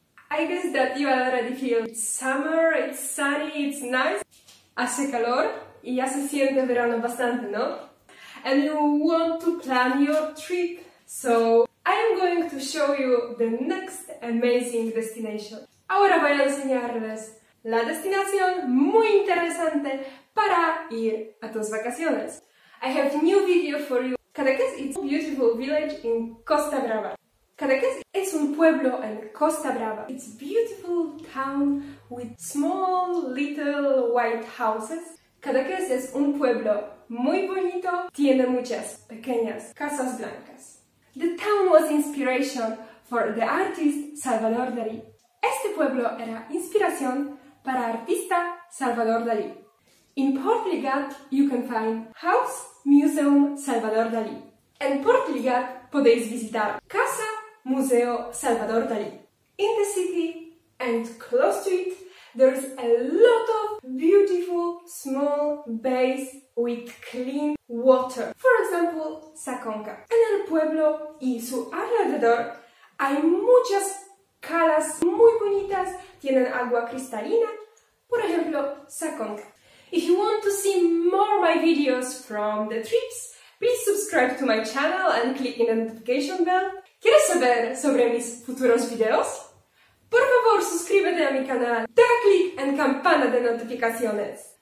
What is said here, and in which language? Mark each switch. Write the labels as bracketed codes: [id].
[en] I guess that you already feel it's summer, it's sunny, it's nice. [es] Hace calor y ya se siente verano bastante, ¿no? [en] And you want to plan your trip. So, I am going to show you the next amazing destination. [es] Ahora voy a enseñarles la destinación muy interesante para ir a tus vacaciones. [en] I have a new video for you. Cadaqués is a beautiful village in Costa Brava. [es] Cadaqués es un pueblo en Costa Brava. [en] It's a beautiful town with small little white houses. [es] Cadaqués es un pueblo muy bonito. Tiene muchas pequeñas casas blancas. [en] The town was inspiration for the artist Salvador Dalí. [es] Este pueblo era inspiración para artista Salvador Dalí. [en] In Portligat you can find House Museum Salvador Dalí. [es] En Portligat podéis visitar Casa Museo Salvador Dalí. [en] In the city and close to it there is a lot of beautiful small bays with clean water. For example, Saconca. [es] En el pueblo y su alrededor hay muchas calas muy bonitas, tienen agua cristalina. Por ejemplo, Saconca. [en] If you want to see more of my videos from the trips, please subscribe to my channel and click in the notification bell. [es] ¿Quieres saber sobre mis futuros videos? Por favor, suscríbete a mi canal, da clic en campana de notificaciones.